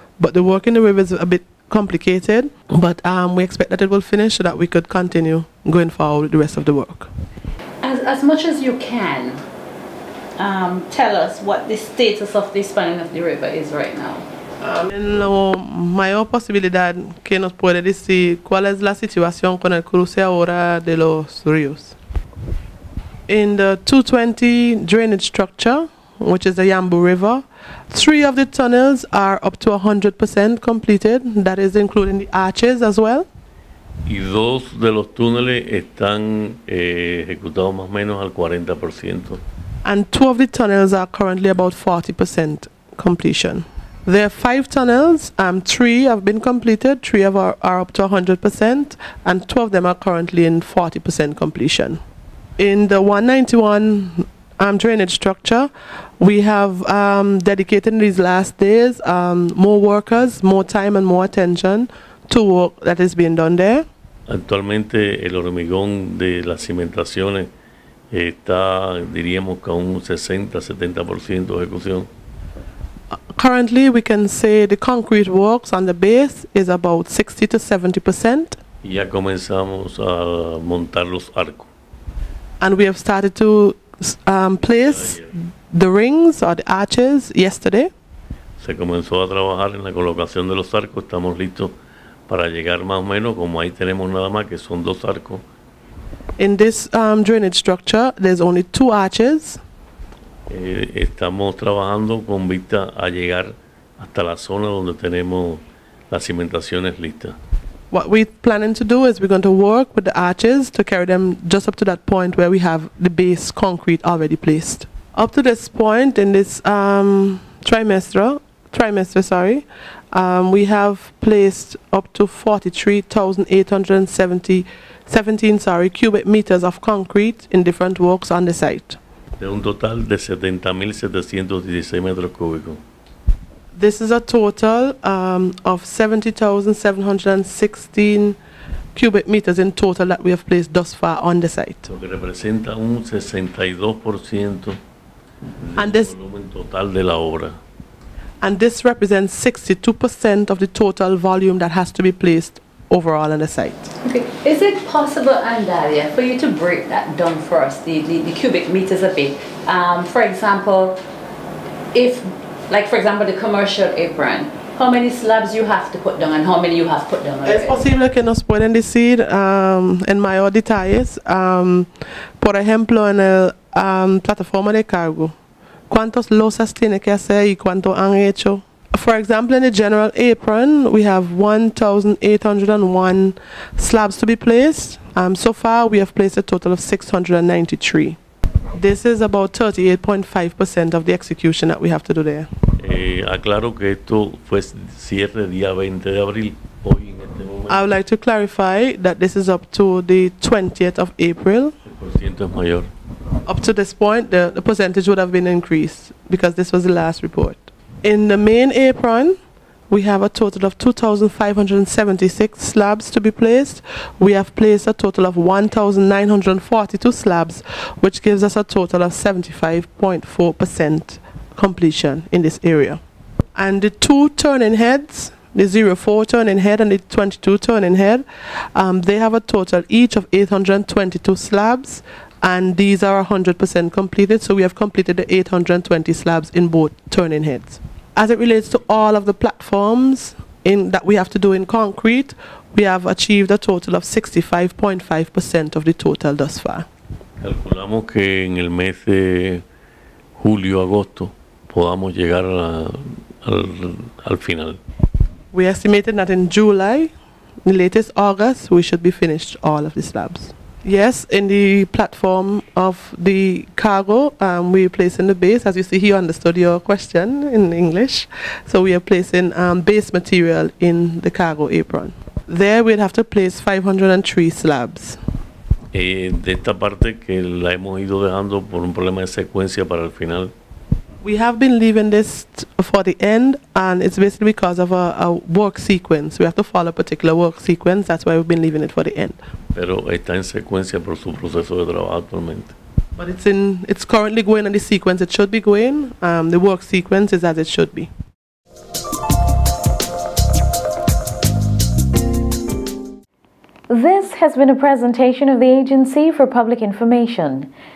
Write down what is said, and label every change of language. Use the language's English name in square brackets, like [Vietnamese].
[English] But the work in the river is a bit complicated, but we expect that it will finish so that we could continue going forward with the rest of the work. As much as you can, tell us what the status of the spanning of the river is right now. [Spanish] En la mayor posibilidad que nos puede decir cuál es la situación con el cruce ahora de los ríos. [English] In the 220 drainage structure, which is the Yambu River, 3 of the tunnels are up to 100% completed, that is including the arches as well. [Spanish] Y dos de los túneles están ejecutados más o menos al 40%. [English] And 2 of the tunnels are currently about 40% completion. There are 5 tunnels, 3 have been completed, 3 of are up to 100%, and 2 of them are currently in 40% completion. In the 191 drainage structure, we have dedicated these last days more workers, more time and more attention to work that is being done there. [Spanish] Actualmente el hormigón de las cimentaciones está, diríamos, con un 60-70% ejecución. [English] Currently, we can say the concrete works on the base is about 60-70%. [Spanish] Ya comenzamos a montar los arcos. [English] And we have started to place the rings or the arches yesterday. [Spanish] Se comenzó a trabajar en la colocación de los arcos. Estamos listos para llegar más o menos, como ahí tenemos nada más, que son dos arcos. [English] In this drainage structure, there's only 2 arches. [Spanish] Estamos trabajando con vista a llegar hasta la zona donde tenemos las cimentaciones listas. [English] What we're planning to do is we're going to work with the arches to carry them just up to that point where we have the base concrete already placed. Up to this point in this we have placed up to 43,817 cubic meters of concrete in different works on the site. [Spanish] De un total de 70,716 metros cúbicos. [English] This is a total of 70,716 cubic meters in total that we have placed thus far on the site. [Spanish] Lo que representa un 62% del volumen total de la obra. [English] And this represents 62% of the total volume that has to be placed overall on the site. Okay. Is it possible, Andalia, for you to break that down for us, the cubic meters a bit? For example, the commercial apron, how many slabs you have to put down and how many you have put down? [Spanish] Es posible que nos pueden decir en mayor detalles, por ejemplo, en el plataforma de cargo, ¿cuántas losas tiene que hacer y cuánto han hecho? [English] For example, in the general apron, we have 1,801 slabs to be placed. So far, we have placed a total of 693. This is about 38.5% of the execution that we have to do there. [Spanish] Aclaro que esto fue cierre día 20 de abril. Hoy en este momento. [English] I would like to clarify that this is up to the 20th of April. [Spanish] Mayor. [English] Up to this point, the percentage would have been increased because this was the last report. In the main apron, we have a total of 2,576 slabs to be placed. We have placed a total of 1,942 slabs, which gives us a total of 75.4% completion in this area. And the two turning heads, the 04 turning head and the 22 turning head, they have a total each of 822 slabs, and these are 100% completed, so we have completed the 820 slabs in both turning heads. As it relates to all of the platforms that we have to do in concrete, we have achieved a total of 65.5% of the total thus far. [Spanish] Calculamos que en el mes de julio-agosto podamos llegar al final. [English] We estimated that in July, the latest August, we should be finished all of the slabs. Yes, in the platform of the cargo, we are placing the base. As you see, he understood your question in English. So we are placing base material in the cargo apron. There we'd have to place 503 slabs. [Spanish] De esta parte que la hemos ido dejando por un problema de secuencia para el final. [English] We have been leaving this for the end, and it's basically because of a work sequence. We have to follow a particular work sequence. That's why we've been leaving it for the end. [Spanish] Pero está en secuencia por su proceso de trabajo actualmente. [English] But it's currently going in the sequence it should be going. The work sequence is as it should be. This has been a presentation of the Agency for Public Information.